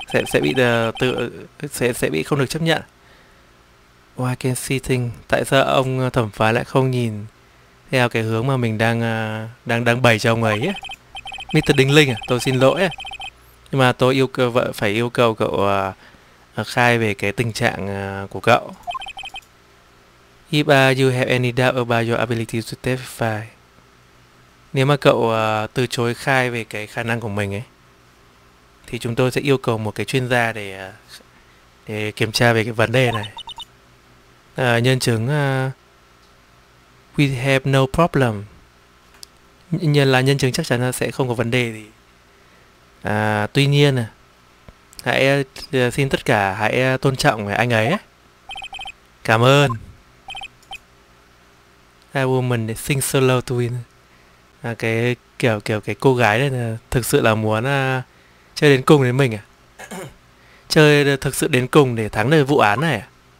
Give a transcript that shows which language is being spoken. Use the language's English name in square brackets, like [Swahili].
[Vietnamese] Sẽ bị sẽ bị không được chấp nhận. [English] Why can't see things? [Vietnamese] Tại sao ông thẩm phán lại không nhìn theo cái hướng mà mình đang bày cho ông ấy? Mr. Đinh Linh à, tôi xin lỗi. Nhưng mà tôi yêu cầu cậu khai về cái tình trạng của cậu. [English] If you have any doubt about your ability to testify. [Vietnamese] Nếu mà cậu từ chối khai về cái khả năng của mình ấy, thì chúng tôi sẽ yêu cầu một cái chuyên gia để kiểm tra về cái vấn đề này. Nhân chứng [English] we have no problem. [Vietnamese] Nhân chứng chắc chắn là sẽ không có vấn đề gì. Tuy nhiên, hãy xin tất cả hãy tôn trọng anh ấy. Cảm ơn. [English] A woman that sings so low to win. [Vietnamese] Cái cô gái này thực sự là muốn chơi đến cùng với mình à? Chơi thực sự đến cùng để thắng được vụ án này à?